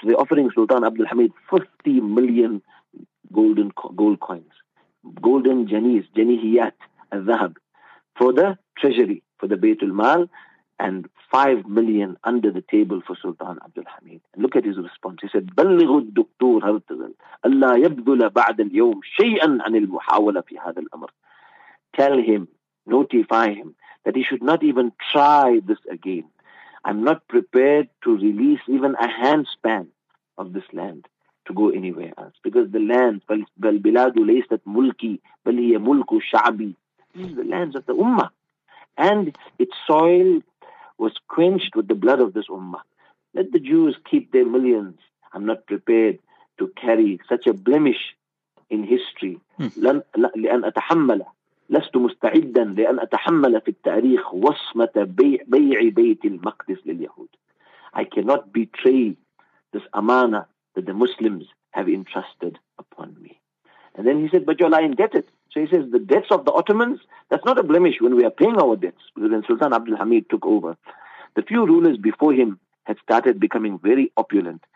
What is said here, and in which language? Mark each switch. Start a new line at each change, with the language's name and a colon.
English: They're offering Sultan Abdul Hamid 50 million gold coins, golden janis,
Arabic: janihiyat, al-dhahab,
English: for the treasury, for the Baytul Mal, and 5 million under the table for Sultan Abdul Hamid. And look at his response.
Arabic: He said, بَلِّغُ الدُّكْتُورَ هَرْتَغَلْ أَلَّا يَبْدُلَ بَعْدَ الْيَوْمِ شَيْئًا عَنِ الْمُحَاوَلَ فِي هَذَا الْأَمْرِ.
English: Tell him, notify him, that he should not even try this again. I'm not prepared to release even a handspan of this land to go anywhere else. Because the land,
Arabic: بَالْبِلَادُ لَيْسَتْ مُلْكِي بَلْ هِيَ مُلْكُ شَعْبِي.
English: These are the lands of the Ummah. And its soil was quenched with the blood of this Ummah. Let the Jews keep their millions. I'm not prepared to carry such a blemish in history.
Arabic: لأن أتحمل لست مستعدا لأن أتحمل في التاريخ وصمة بيع بيت المقدس لليهود.
English: I cannot betray this amana that the Muslims have entrusted upon me. And then he said, but you're indebted. So he says, the debts of the Ottomans, that's not a blemish when we are paying our debts. Because when Sultan Abdul Hamid took over, the few rulers before him had started becoming very opulent.